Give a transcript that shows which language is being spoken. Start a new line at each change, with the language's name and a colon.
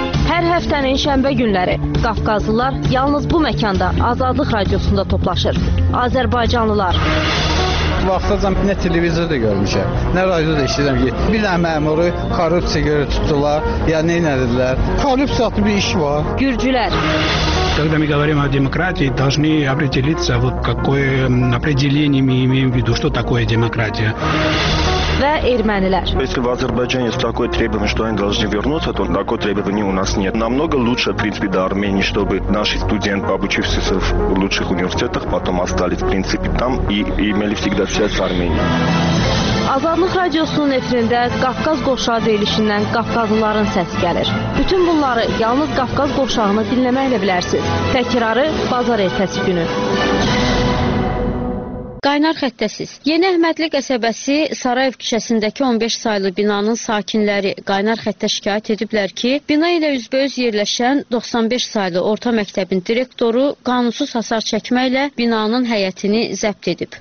Azerbaijani: Hər həftənin şənbə günləri Qafqazlılar yalnız bu məkanda Azadlıq radiosunda toplaşır. Azərbaycanlılar. Vaxtacan nə televizorda görmüşəm, nə radioda işləyirəm ki, bir nə məmuru korrupsiya görə tutdular, ya nə inədirlər? Korrupsiya adlı bir iş var. Gürcülər.
Russian: Когда мы говорим о демократии, должны определиться, вот какое определение мы имеем в виду, что такое демократия.
Azerbaijani: Ve ermənilər.
Russian: Если в Азербайджане есть такое требование, что они должны вернуться, то такое требование у нас нет. Намного лучше, в принципе, до Армении, чтобы наши студенты, обучившиеся в лучших университетах, потом остались, в принципе, там и имели всегда связь с Арменией.
Azerbaijani: Azadlıq radiosunun efirində Qafqaz qoşağı deyilişindən Qafqazlıların səsi gəlir. Bütün bunları yalnız Qafqaz qoşağını dinləməklə bilərsiniz. Təkrarı bazar ertəsi günü. Qaynar xəttəsiz. Yeni Əhmədli qəsəbəsi Sarayev küçəsindəki 15 saylı binanın sakinləri qaynar xəttə şikayət ediblər ki, bina ilə üzbəüz yerləşən 95 saylı orta məktəbin direktoru qanunsuz hasar çəkməklə binanın həyətini zəbt edib.